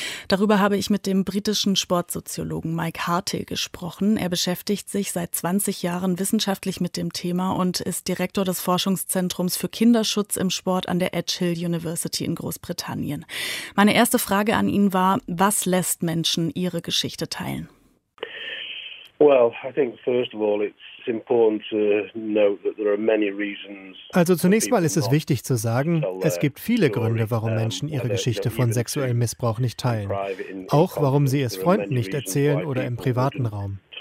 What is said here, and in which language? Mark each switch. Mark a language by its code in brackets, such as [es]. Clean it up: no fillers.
[de] Darüber habe ich mit dem britischen Sportsoziologen Mike Hartill gesprochen. Er beschäftigt sich seit 20 Jahren wissenschaftlich mit dem Thema und ist Direktor des Forschungszentrums für Kinderschutz im Sport an der Edgehill University in Großbritannien. Meine erste Frage an ihn war: Was lässt Menschen ihre Geschichte teilen? [en] Well, I think first of all it's important to note that there are many reasons. [de] Also zunächst mal ist es wichtig zu sagen, es gibt viele Gründe, warum Menschen ihre Geschichte von sexuellem Missbrauch nicht teilen. Auch warum sie es Freunden nicht erzählen oder im privaten Raum.